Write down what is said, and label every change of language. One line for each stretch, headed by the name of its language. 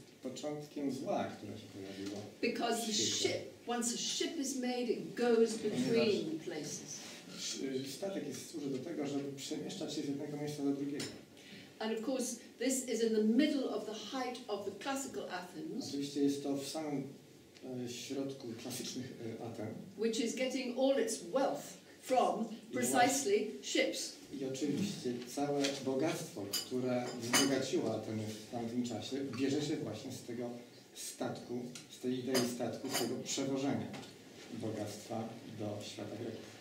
Polish: Początkiem zła, które się pojawiło.
English: Because the ship, once a ship is made, it goes between places.
Polish: Statek jest służy do tego, żeby przemieszczać się z jednego miejsca do drugiego.
English: And of course, this is in the middle of the height of the classical Athens.
Polish: Oczywiście jest to w samym środku klasycznych Aten.
English: Which is getting all its wealth from precisely ships.
Polish: I oczywiście całe bogactwo, które wzbogaciło Atenę w tamtym czasie, bierze się właśnie z tego statku, z tej idei statku, z tego przewożenia bogactwa do świata Greków.